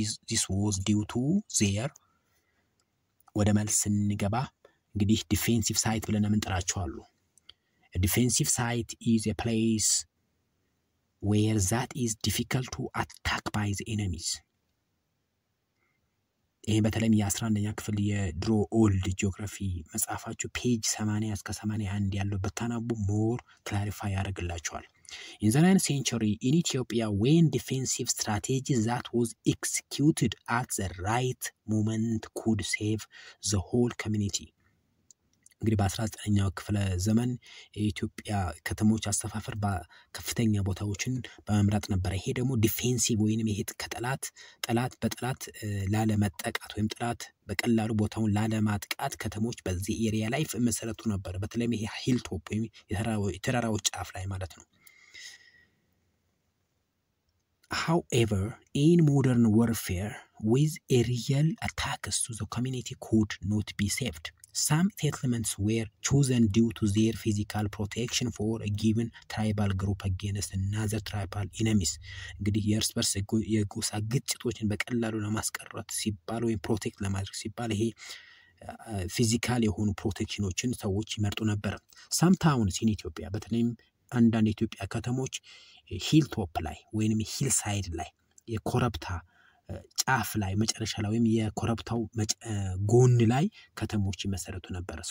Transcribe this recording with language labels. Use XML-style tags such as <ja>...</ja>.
<en>This was due to their</en> <am>ወደመልስን ንገባ እንግዲህ defensive site ብለን እንጠራቸው አሉ.</am> <en>A defensive site is a place where that is difficult to attack by the enemies.</en> <am>ይሄ በተለይ የ11ኛ ክፍል የድሮ old geography መጽሐፋችሁ page 80 እስከ 81 ያለው በታናቡ more clarify ያደርግላችኋል.</am> <en>In the 9th century in Ethiopia, when defensive strategy that was executed at the right moment could save the whole community.</en> <am>እንግዲህ በ19ኛው ክፍለ ዘመን የኢትዮጵያ ከተሞች አስተፋፈር በከፍተኛ ቦታዎችን በመምራት ነበር. ይሄ ደግሞ ዲፌንሲቭ ወይንም ይሄት ከጠላት ጠላት በጠላት ላለመጠቃት ወይንም ጠላት በቀላሉ ቦታውን ላለማጥቃት ከተሞች በዚህ ኤሪያ ላይ መሰረቱ ነበር. በተለይ ይሄ ሂልቶፕ ወይንም የተራራዎች ጫፍ ላይ ማለት ነው.</am> <en>However, in modern warfare, with aerial attacks to the community could not be saved. Some settlements were chosen due to their physical protection for a given tribal group against another tribal enemies.</en> <am>እንግዲህ የእርስ በርስ የጎሳ ግጭቶችን በቀላሉ ለማስቀረት ሲባል ወይም ፕሮቴክት ለማድረግ ሲባል ይሄ ፊዚካል የሆኑ ፕሮቴክሽኖችን ሰዎች ይመርጡ ነበር.</am> <en>ሳም ታውንስ ኢን ኢትዮጵያ</en> <am>በተለይም አንዳንድ ኢትዮጵያ ከተሞች ሂል ቶፕ ላይ ወይንም ሂል ሳይድ ላይ የኮረብታ ጫፍ ላይ መጨረሻ ላይ ወይም የኮረብታው ጎን ላይ ከተሞች መሰረቱ ነበር.</am>